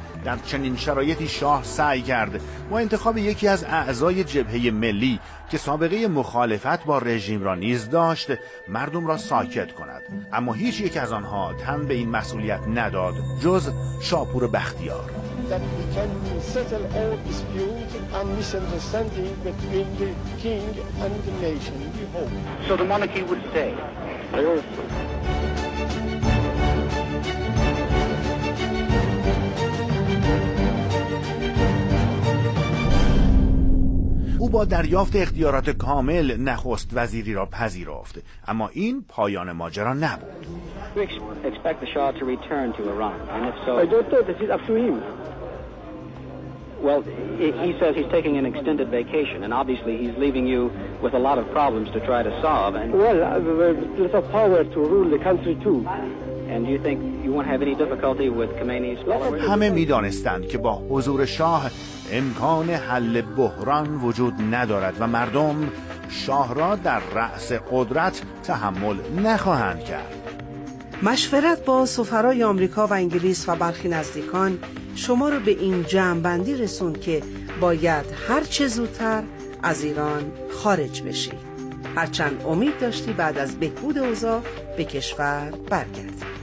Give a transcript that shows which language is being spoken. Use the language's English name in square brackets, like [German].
[Persian] در چنین شرایطی شاه سعی کرد با انتخاب یکی از اعضای جبهه ملی که سابقه مخالفت با رژیم را نیز داشت مردم را ساکت کند، اما هیچ یک از آنها تن به این مسئولیت نداد جز شاپور بختیار. [English] That we can settle all disputes and misunderstanding between the king and the nation, we hope. So the monarchy would stay? I hope so. [Persian] او با دریافت اختیارات کامل نخست وزیری را پذیرفت، اما این پایان ماجرا نبود. [English] Expect the Shah to return to Iran, and if so, I don't know. This is up to him. Well, he says he's taking an extended vacation, and obviously he's leaving you with a lot of problems to try to solve. And well, there's little power to rule the country too. And do you think you won't have any difficulty with Khomeini's followers? [Persian] همه می‌دانستند که با حضور شاه امکان حل بحران وجود ندارد و مردم شاه را در رأس قدرت تحمل نخواهند کرد. مشورت با سفرای آمریکا و انگلیس و برخی نزدیکان شما را به این جمع‌بندی رسوند که باید هر چه زودتر از ایران خارج بشی، هرچند امید داشتی بعد از بهبود اوضاع به کشور برگردی.